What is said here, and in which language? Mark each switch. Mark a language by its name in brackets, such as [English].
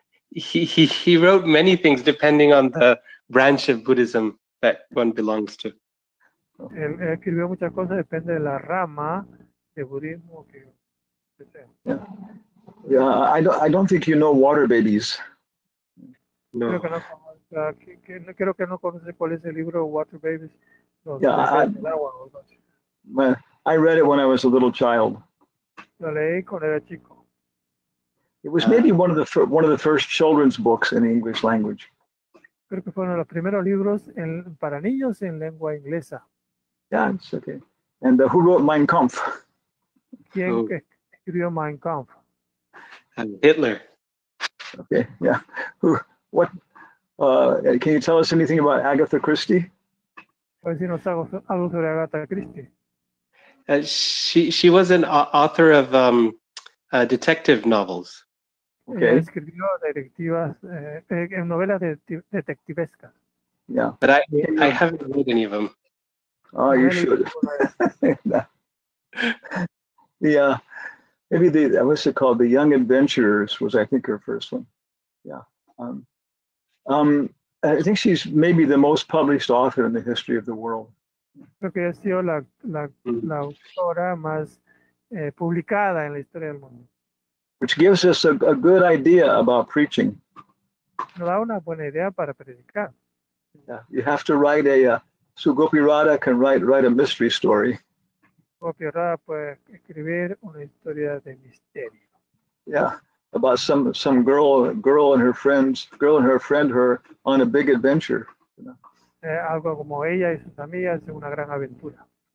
[English] He wrote many things depending on the branch of Buddhism that one belongs to. [Spanish] Él escribió muchas cosas depende de la rama de budismo que sea. [English] I don't think you know Water Babies. No. [Spanish] Creo que no conoce cuál es el libro Water Babies. [English] I read it when I was a little child. [Spanish] Lo leí cuando era chico. [English] It was maybe one of the first children's books in the English language. [Spanish] Creo que fue uno de los primeros libros para niños en lengua inglesa. [English] Yeah, it's okay. And who wrote Mein Kampf? [Spanish] ¿Quién escribió Mein Kampf? [English] Hitler. Okay, yeah. Can you tell us anything about Agatha Christie? [Spanish] ¿Puedes decirnos algo sobre Agatha Christie? [English] She was an author of detective novels. [Spanish] Okay. Escribió novelas detectivescas. [English] Yeah. But I haven't read any of them. Oh, you should. Yeah. Maybe The Young Adventurers was, I think, her first one. Yeah. I think she's maybe the most published author in the history of the world. [Spanish] Creo que ha sido la autora más publicada en la historia del mundo. [English] Which gives us a good idea about preaching. [Spanish] Nos da una buena idea para predicar. [English] Yeah, you have to write so Gopi Radha can write a mystery story. [Spanish] Gopi Radha puede escribir una historia de misterio. [English] Yeah, about some girl and her friend her on a big adventure. You know? [Spanish] Algo como ella y sus amigas en una gran aventura.